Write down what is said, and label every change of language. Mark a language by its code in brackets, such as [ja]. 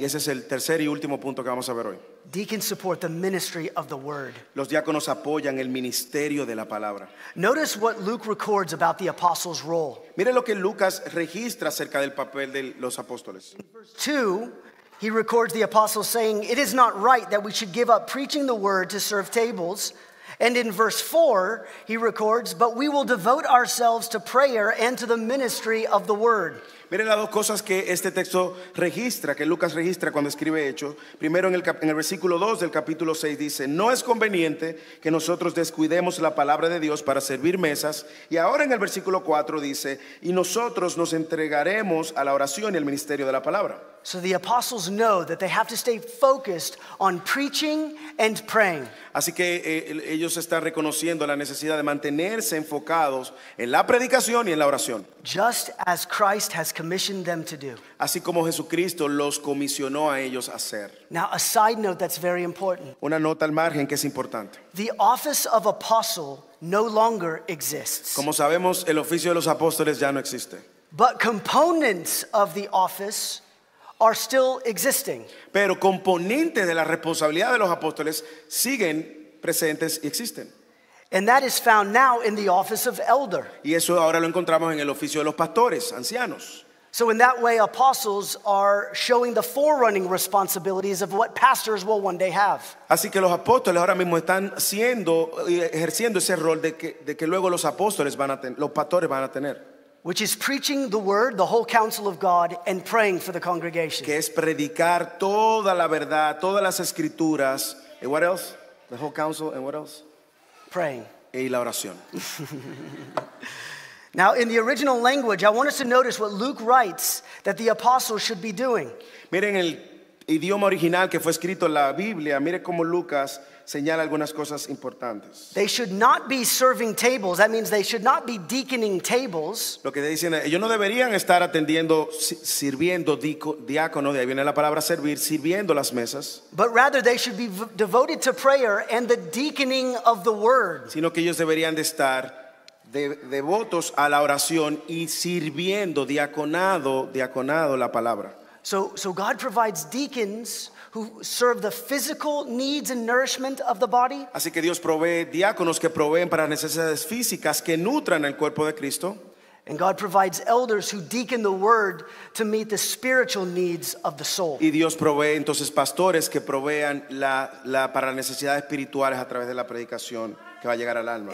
[es] Y ese es el tercer y último punto que vamos a ver hoy. [en] Deacons support the ministry of the word. [es] Los diáconos apoyan el ministerio de la palabra. [en] Notice what Luke records about the apostles' role. [es] Mire lo que Lucas registra acerca del papel de los apóstoles. [en] In verse 2, he records the apostles saying, "It is not right that we should give up preaching the word to serve tables." And in verse 4, he records, "But we will devote ourselves to prayer and to the ministry of the word." [es] Miren las dos cosas que este texto registra, que Lucas registra cuando escribe Hechos. Primero, en el versículo 2 del capítulo 6 dice, "No es conveniente que nosotros descuidemos la palabra de Dios para servir mesas." Y ahora en el versículo 4 dice, "Y nosotros nos entregaremos a la oración y al ministerio de la palabra." [en] So the apostles know that they have to stay focused on preaching and praying. [es] Así que ellos están reconociendo la necesidad de mantenerse enfocados en la predicación y en la oración. [en] Just as Christ has commissioned them to do. [es] Así como Jesucristo los comisionó a ellos a hacer. [en] Now, a side note that's very important. [es] Una nota al margen que es importante. [en] The office of apostle no longer exists. [es] Como sabemos, el oficio de los apóstoles ya no existe. [en] But components of the office are still existing. [es] Pero componentes de la responsabilidad de los apóstoles siguen presentes y existen. [en] And that is found now in the office of elder. [es] Y eso ahora lo encontramos en el oficio de los pastores, ancianos. [en] So in that way, apostles are showing the forerunning responsibilities of what pastors will one day have. [es] Así que los apóstoles ahora mismo están siendo ejerciendo ese rol de que luego los apóstoles van a tener, los pastores van a tener. [en] Which is preaching the word, the whole counsel of God, and praying for the congregation. [es] Que es predicar toda la verdad, todas las escrituras. [en] And what else? The whole counsel, and what else? Praying. [es] Y la oración. [en] Now, in the original language, I want us to notice what Luke writes that the apostles should be doing. [es] Miren el idioma original que fue escrito en la Biblia. Miren cómo Lucas señala algunas cosas importantes. [en] They should not be serving tables. That means they should not be deaconing tables. [es] Lo que dicen, ellos no deberían estar atendiendo, sirviendo, diácono, de ahí viene la palabra servir, sirviendo las mesas. [en] But rather they should be devoted to prayer and the deaconing of the word. [es] Sino que ellos deberían de estar devotos a la oración y sirviendo, diaconado la palabra. [en] So God provides deacons who serve the physical needs and nourishment of the body. [es] Así que Dios provee diáconos que proveen para necesidades físicas que nutran el cuerpo de Cristo. [en] And God provides elders who deacon the word to meet the spiritual needs of the soul. [es] Y Dios provee entonces pastores que provean la para necesidades espirituales a través de la predicación que va a llegar al alma.